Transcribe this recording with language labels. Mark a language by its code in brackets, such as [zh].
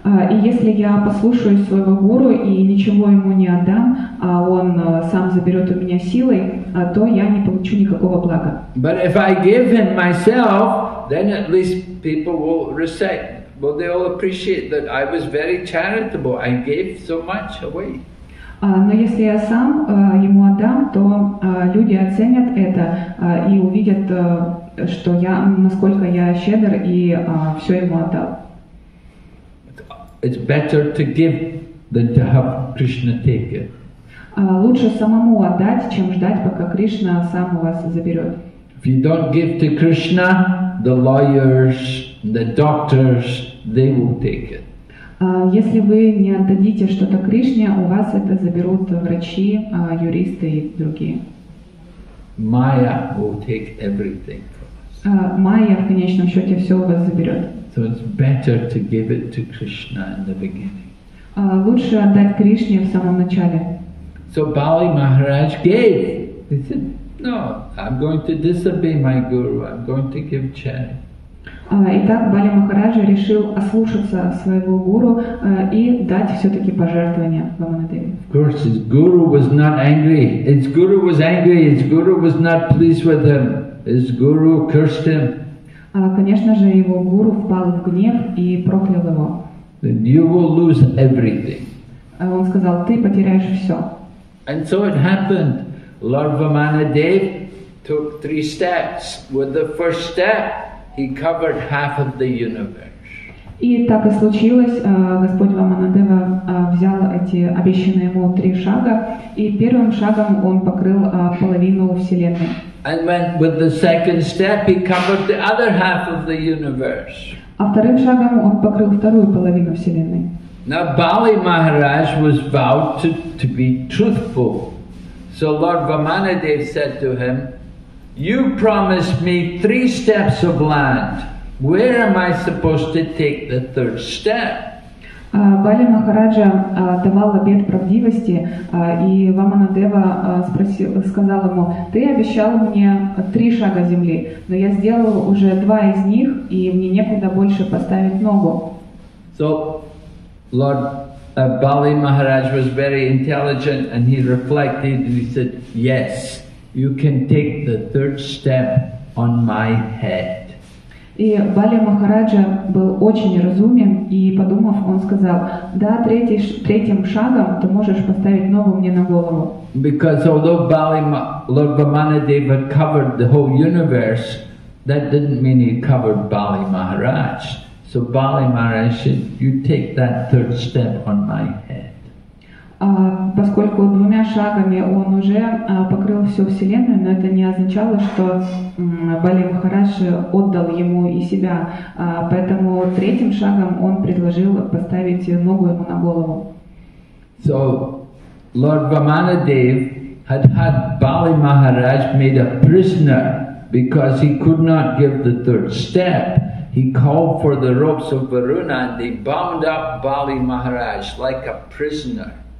[ru] И если я послушаюсь своего гуру и ничего ему не отдам, а он сам заберет у меня силой, то я не получу никакого блага. [en] But if I give him myself, then at least people will respect. Well, they all appreciate that I was very charitable. I gave so much away. [ru] Но если я сам ему отдам, то люди оценят это и увидят, что я, насколько я щедр и все ему отдал. [en] It's better to give than to have Krishna take it. [ru] Лучше самому отдать, чем ждать, пока Кришна сам у вас заберет. [en] If you don't give to Krishna, the lawyers, the doctors, they will take it. [ru] Если вы не отдадите что-то Кришне, у вас это заберут врачи, юристы и другие. [en] Maya will take everything from us. [ru] Майя в конечном счете все у вас заберет. [en] So it's better to give it to Krishna in the beginning. [ru] Лучше отдать Кришне в самом начале. [en] So Bali Maharaj gave. He said, no, I'm going to disobey my guru. I'm going to give charity. [ru] Итак, Бали Махараджа решил ослушаться своего гуру и дать все-таки пожертвование Ваманадеве. [en] Of course, his guru was not angry. His guru was angry. His guru was not pleased with him. His guru cursed him. [ru] Конечно же, его гуру впал в гнев и проклял его. [en] You will lose everything. [ru] Он сказал, ты потеряешь все. [en] And so it happened. Lord Vamanadev took three steps. With the first step, he covered half of the universe. [ru] И так и случилось. Господь Ваманадева взял эти обещанные ему три шага, и первым шагом он покрыл половину Вселенной. [en] And when with the second step he covered the other half of the universe. [ru] А вторым шагом он покрыл вторую половину Вселенной. [en] Now Bali Maharaj was vowed to be truthful. So Lord Vamanadeva said to him, "You promised me 3 steps of land. Where am I supposed to take the 3rd step?" [ru] Бали Махараджа давал обет правдивости, и Ваманадева сказал ему: "Ты обещал мне 3 шага земли, но я сделал уже 2 из них, и мне некуда больше поставить ногу." [en] So, Lord Bali Maharaj was very intelligent, and he reflected and he said, "Yes, you can take the 3rd step on my head." [ru] И Бали Махараджа был очень разумен, и, подумав, он сказал: "Да, третьим шагом ты можешь поставить ногу мне на голову." [en] Because although Lord Vamanadeva covered the whole universe, that didn't mean he covered Bali Maharaj. So Bali Maharaj said, "You take that 3rd step on my head." [ru] Поскольку 2 шагами он уже покрыл всю вселенную, но это не означало, что Бали Махарадж отдал ему и себя. Поэтому 3rd шагом он предложил поставить ногу ему на голову. [en] So Lord Vamanadeva had Bali Maharaj made a prisoner because he could not give the 3rd step. He called for the ropes of Varuna and they bound up Bali Maharaj like a prisoner.